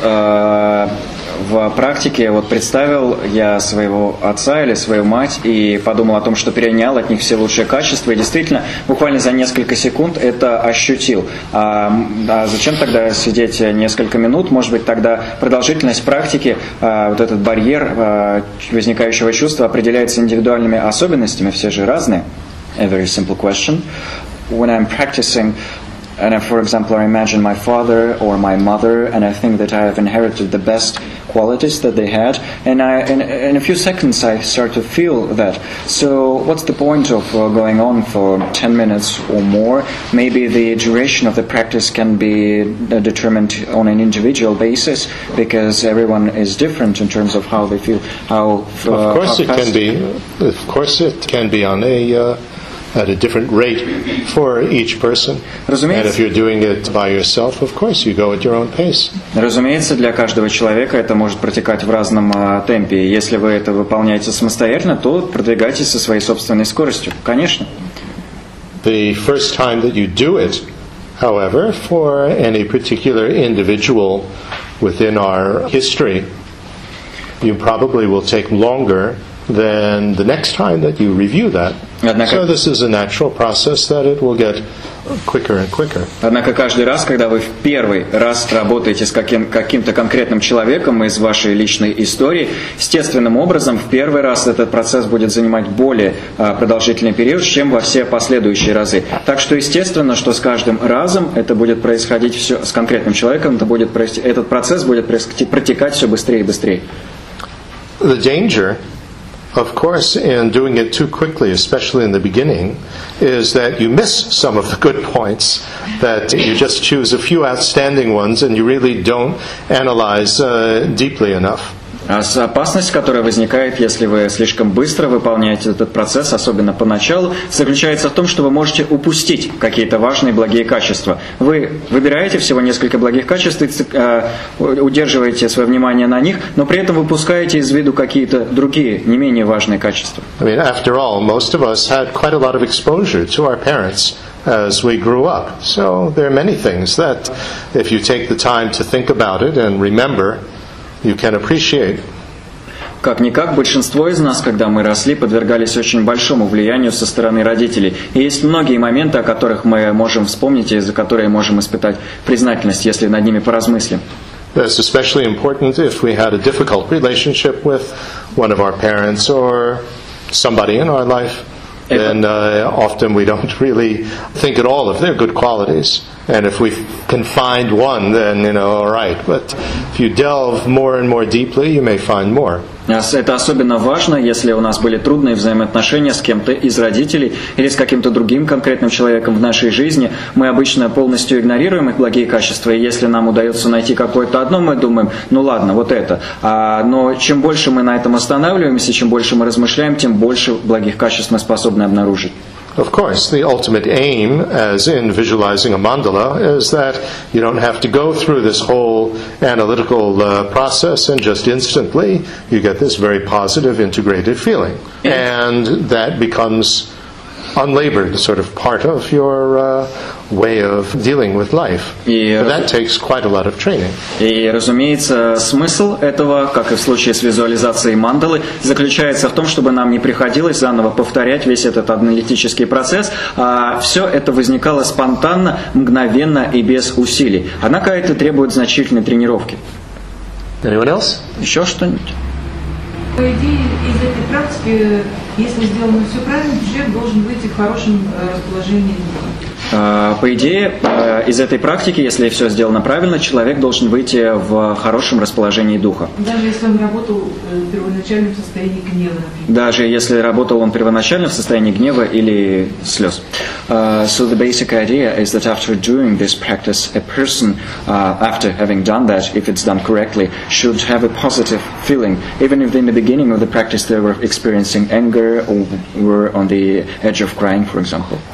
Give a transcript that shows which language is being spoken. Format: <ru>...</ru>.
<ru>В практике вот представил я своего отца или свою мать и подумал о том, что перенял от них все лучшие качества. И действительно, буквально за несколько секунд это ощутил. А зачем тогда сидеть несколько минут? Может быть, тогда продолжительность практики, вот этот барьер возникающего чувства определяется индивидуальными особенностями. Все же разные.</ru> <en>A very simple question. When I'm practicing, and if, for example, I imagine my father or my mother, and I think that I have inherited the best qualities that they had, and in a few seconds I start to feel that. So what's the point of going on for 10 minutes or more? Maybe the duration of the practice can be determined on an individual basis, because everyone is different in terms of how they feel, how Of course it can be on a at a different rate for each person. And if you're doing it by yourself, of course, you go at your own pace.</en> <ru>Разумеется, для каждого человека это может протекать в разном темпе. Если вы это выполняете самостоятельно, то продвигайтесь со своей собственной скоростью. Конечно.</ru> <en>The first time that you do it, however, for any particular individual within our history, you probably will take longer than the next time that you review that.</en> <ru>Однако,</ru> <en>so this is a natural process that it will get quicker and quicker.</en> <ru>Однако каждый раз, когда вы в первый раз работаете с каким-то конкретным человеком из вашей личной истории, естественным образом в первый раз этот процесс будет занимать более продолжительный период, чем во все последующие разы. Так что естественно, что с каждым разом это будет происходить все с конкретным человеком, этот процесс будет протекать все быстрее и быстрее.</ru> <en>The danger, of course, in doing it too quickly, especially in the beginning, is that you miss some of the good points, that you just choose a few outstanding ones and you really don't analyze deeply enough.</en> <ru>Опасность, которая возникает, если вы слишком быстро выполняете этот процесс, особенно поначалу, заключается в том, что вы можете упустить какие-то важные благие качества. Вы выбираете всего несколько благих качеств и удерживаете свое внимание на них, но при этом выпускаете из виду какие-то другие, не менее важные качества.</ru> <en>I mean, after all, most of us had quite a lot of exposure to our parents as we grew up. So there are many things that, if you take the time to think about it and remember, you can appreciate.</en> <ru>Как-никак, большинство из нас, когда мы росли, подвергались очень большому влиянию со стороны родителей. И есть многие моменты, о которых мы можем вспомнить и за которые можем испытать признательность, если над ними поразмыслим.</ru> <en>That's especially important if we had a difficult relationship with one of our parents or somebody in our life. Then often we don't really think at all of their good qualities. And if we can find one, then, you know, all right. But if you delve more and more deeply, you may find more.</en> <ru>Это особенно важно, если у нас были трудные взаимоотношения с кем-то из родителей или с каким-то другим конкретным человеком в нашей жизни. Мы обычно полностью игнорируем их благие качества, и если нам удается найти какое-то одно, мы думаем, ну ладно, вот это. Но чем больше мы на этом останавливаемся, чем больше мы размышляем, тем больше благих качеств мы способны обнаружить.</ru> <en>Of course, the ultimate aim, as in visualizing a mandala, is that you don't have to go through this whole analytical process and just instantly you get this very positive integrated feeling. And that becomes unlabored, sort of part of your way of dealing with life. That takes quite a lot of training.</en> <ru>И, разумеется, смысл этого, как и в случае с визуализацией мандалы, заключается в том, чтобы нам не приходилось заново повторять весь этот аналитический процесс, а все это возникало спонтанно, мгновенно и без усилий. Однако это требует значительной тренировки.</ru> <en>Anyone else?</en> <ru>Еще что-нибудь? По идее, из этой практики, если сделано все правильно, человек должен выйти в хорошем расположении духа. По идее, из этой практики, если все сделано правильно, человек должен выйти в хорошем расположении духа. Даже если он работал в первоначальном состоянии гнева, например. Даже если работал он первоначально в состоянии гнева или слез.</ru> <en>So the basic idea is that after doing this practice, a person, after having done that, if it's done correctly, should have a positive feeling. Even if in the beginning of the practice they were experiencing anger or were on the edge of crying, for example.</en>